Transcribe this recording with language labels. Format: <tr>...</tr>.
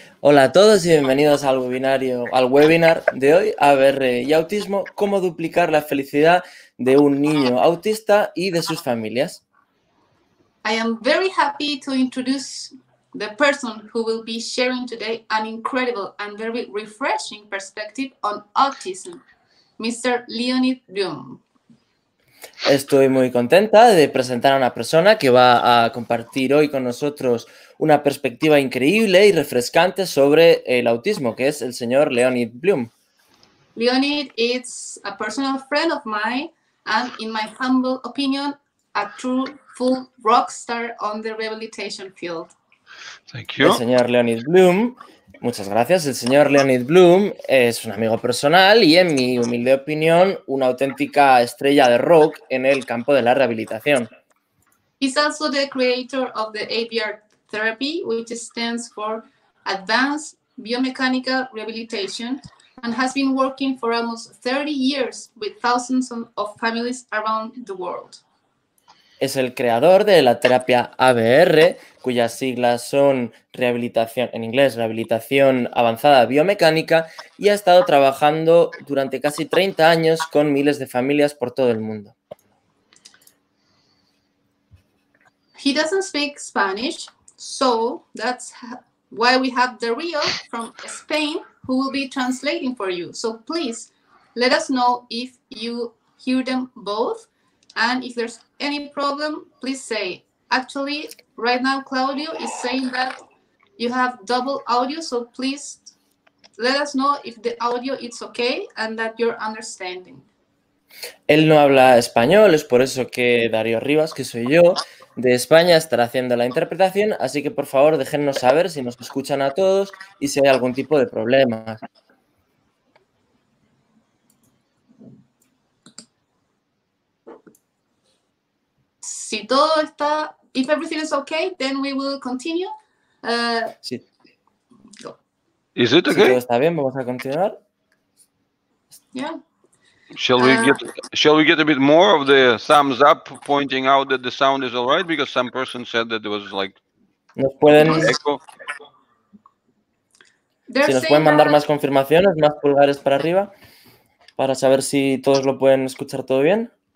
<es>Hola a todos y bienvenidos al webinar de hoy, ABR y autismo, cómo duplicar la felicidad de un niño autista y de sus familias.</es> <en>I am very happy to introduce the person who will be sharing today an incredible and very refreshing perspective on autism, Mr. Leonid Bloom.</en> <es>Estoy muy contenta de presentar a una persona que va a compartir hoy con nosotros una perspectiva increíble y refrescante sobre el autismo, que es el señor Leonid Bloom.</es> <en>Leonid is a personal friend of mine and, in my humble opinion, a true full rock star on the rehabilitation field. Thank you.</en> <es>El señor Leonid Bloom, muchas gracias. El señor Leonid Bloom es un amigo personal y, en mi humilde opinión, una auténtica estrella de rock en el campo de la rehabilitación.</es> <en>He's also the creator of the ABR Therapy, which stands for Advanced Biomechanical Rehabilitation, and has been working for almost 30 years with thousands of families around the world.</en> <es>Es el creador de la terapia ABR, cuyas siglas son rehabilitación, en inglés, rehabilitación avanzada biomecánica, y ha estado trabajando durante casi 30 años con miles de familias por todo el mundo.</es> <en>He doesn't speak Spanish, so that's why we have Darío from Spain, who will be translating for you. So please, let us know if you hear them both. And if there's any problem, please say. Actually, right now, Claudio is saying that you have double audio, so please let us know if the audio is okay and that you're understanding.</en> <es>Él no habla español, es por eso que Darío Rivas, que soy yo, de España, estará haciendo la interpretación. Así que, por favor, déjennos saber si nos escuchan a todos y si hay algún tipo de problema. Si todo está,</es> <en>if everything is okay, then we will continue.</en> <es>Sí.</es> <en>Go. Is it okay?</en> <es>Si todo está bien, vamos a continuar.</es> <en>Yeah. Shall we get a bit more of the thumbs up pointing out that the sound is all right? Because some person said that there was like</en> <es>nos pueden, echo. Si nos pueden mandar más confirmaciones, más pulgares para arriba, para saber si todos lo pueden escuchar todo bien.</es>